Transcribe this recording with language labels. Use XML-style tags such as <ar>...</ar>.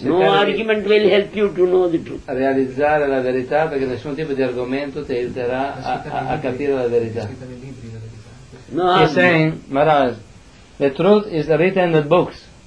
<en>no argument will help you to know the truth.</en> <it>Realizzare la verità, perché nessun tipo di argomento ti aiuterà a capire la verità.</it> <en>No, he's saying, Maharaj, the truth is written in the books.</en>